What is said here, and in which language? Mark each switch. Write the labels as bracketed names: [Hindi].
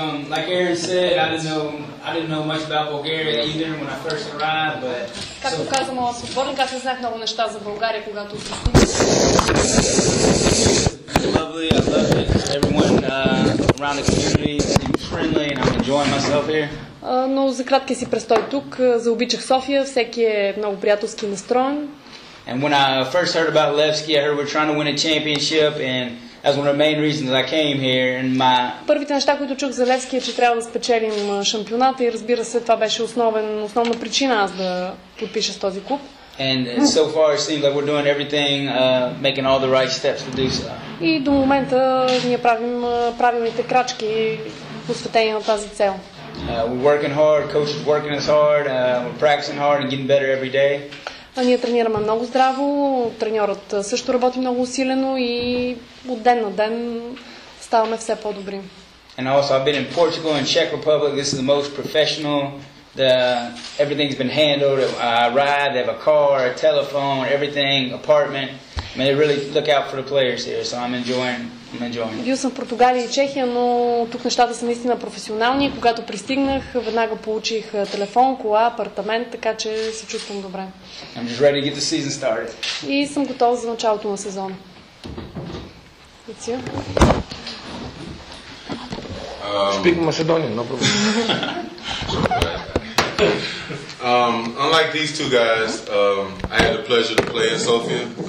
[English] Like Aaron said, I didn't know much about Bulgaria either when I first arrived, but [Bulgarian] както каза моят съборник, аз не знаех много неща за България, когато пристигнах. [English] Lovely, I love it. Everyone around the community seems friendly and I'm enjoying myself here. [Bulgarian] Но за кратки си престой тук, заобичах София, всеки е много приятелски настроен. [English] And when I first heard about Levski, I heard we're trying to win a championship and as one of the main reasons I came here and my [Bulgarian] първите неща, които чух за Левски, е, че трябва да спечелим шампионата и разбира се, това беше основна причина аз да подпиша с този клуб. [English] And so far it seems like we're doing everything, making all the right steps to do so. [Bulgarian] И до момента ние правим правилните крачки, посветени на тази цел. [English] We're working hard, coach is working us hard, we're practicing hard and getting better every day. [Bulgarian] Ние тренираме много здраво, треньорът също работи много усилено и от ден на ден ставаме все по-добри. [English] And also I've been in Portugal and Czech Republic. This is the most professional. Everything's been handled. I arrive, they have a car, a telephone, everything, apartment. I mean, they really look out for the players here, so I'm enjoying. [Bulgarian] Бил съм в Португалия и Чехия, но тук нещата са наистина професионални. Когато пристигнах, веднага получих телефон, кола, апартамент, така че се чувствам добре. [English] I'm just ready to get the season started. [Bulgarian] И съм готов за началото на сезона. Ицио. [English] Speak Macedonian, no problem. Unlike these two guys, I had the pleasure to play in Sofia.